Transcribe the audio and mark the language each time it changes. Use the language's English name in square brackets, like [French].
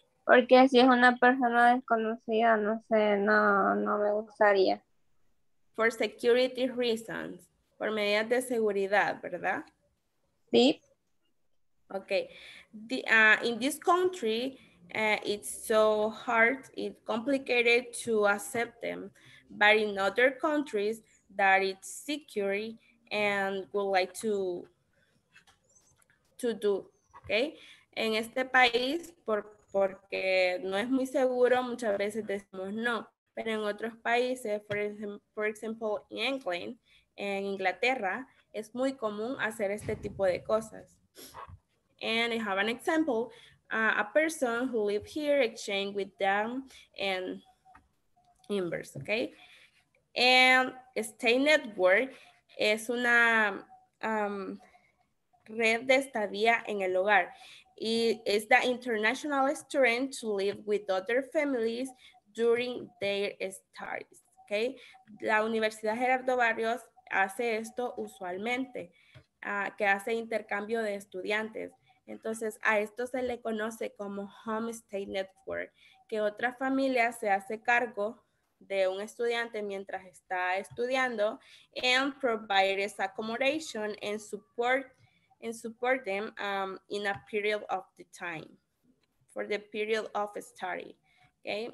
[Spanish] Porque si es una persona desconocida, no sé, no me gustaría. [English] For security reasons, [Spanish] por medidas de seguridad, ¿verdad? Sí. Okay. [English] In this country, it's so hard, it's complicated to accept them. But in other countries that it's secure and would like to do, okay? [Spanish] En este país, porque no es muy seguro, muchas veces decimos no. Pero en otros países, [English] for example, in England, [Spanish] en Inglaterra, es muy común hacer este tipo de cosas. [English] And I have an example, a person who live here exchange with them and members, okay? [Spanish] And Stay Network es una red de estadía en el hogar. [English] It's the international student to live with other families during their studies, okay? [Spanish] La Universidad Gerardo Barrios hace esto usualmente, que hace intercambio de estudiantes. Entonces, a esto se le conoce como Home Stay Network, que otra familia se hace cargo de un estudiante mientras está estudiando [English] and provides accommodation and support them in a period of the time, for the period of study. [Spanish] Okay?